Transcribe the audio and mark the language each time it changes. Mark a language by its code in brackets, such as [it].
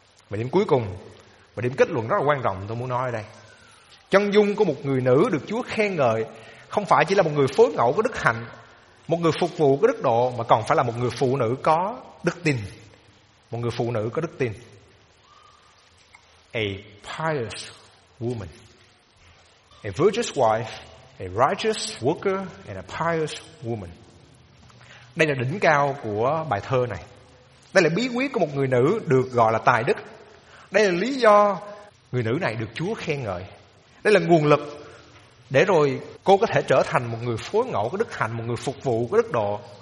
[vi] Và điểm cuối cùng và điểm kết luận rất là quan trọng tôi muốn nói ở đây, chân dung của một người nữ được Chúa khen ngợi không phải chỉ là một người phối ngẫu có đức hạnh, một người phục vụ có đức độ, mà còn phải là một người phụ nữ có đức tin. Một người phụ nữ có đức tin. [en] A pious woman. A virtuous wife, a righteous worker, and a pious woman. [vi] Đây là đỉnh cao của bài thơ này. Đây là bí quyết của một người nữ được gọi là tài đức. Đây là lý do người nữ này được Chúa khen ngợi. Đây là nguồn lực để rồi cô có thể trở thành một người phối ngẫu có đức hạnh, một người phục vụ có đức độ.